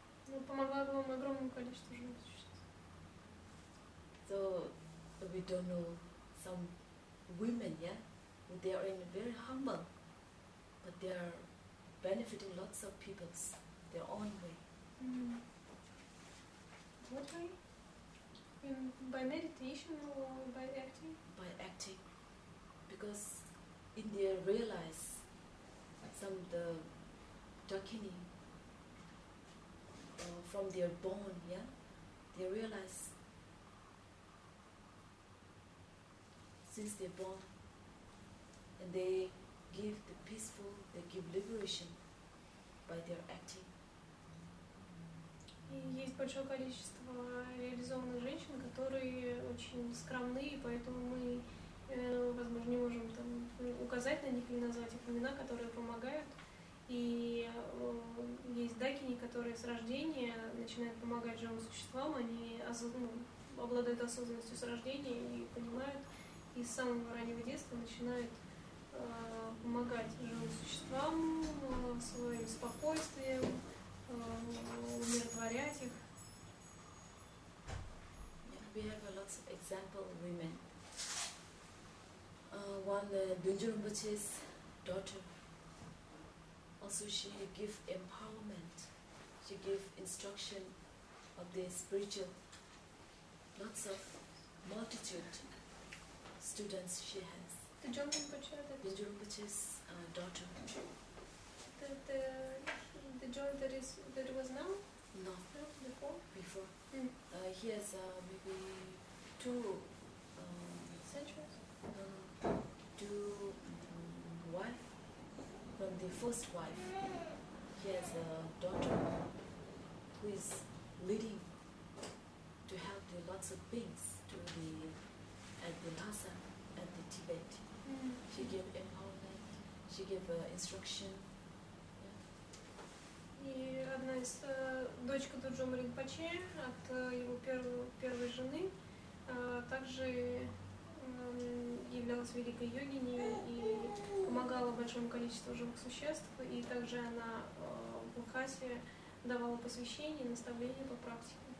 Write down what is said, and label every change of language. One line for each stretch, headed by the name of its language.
Russian: Ну помогла бы вам огромное количество женщин.
English: So we don't know some women, yeah? They are in very humble, but they are benefiting lots of people their own way. What way? By meditation or by acting? By acting. Because India realized some of the Dakini from their bone, yeah? They realize since they're born and they give the peaceful, they give liberation by their acting.
Russian: И есть большое количество реализованных женщин, которые очень скромны, и поэтому мы, возможно, не можем там указать на них или назвать их имена, которые помогают. И есть дакини, которые с рождения начинают помогать живым существам, они обладают осознанностью с рождения и понимают, и с самого раннего детства начинают помогать живым существам своим спокойствием, умиротворять их.
English: We have a lot of example women. One Dunjun Rinpoche's daughter. Also she give empowerment. She give instruction of the spiritual. Lots of multitude students she has. Dunjun Rinpoche, that's Dunjun Rinpoche's daughter. The joint that was now? No. No, before? Before. Mm. He has maybe two centuries? Two wife. From the first wife. He has a daughter who is leading to help the lots of beings to be at the Lhasa, at the Tibet. Mm. She gave empowerment, she gave instruction.
Russian: И одна из дочка Дуджома Ринпоче от его первой жены также являлась великой йогиней и помогала большому количеству живых существ, и также она в Лхасе давала посвящение и наставления по практике.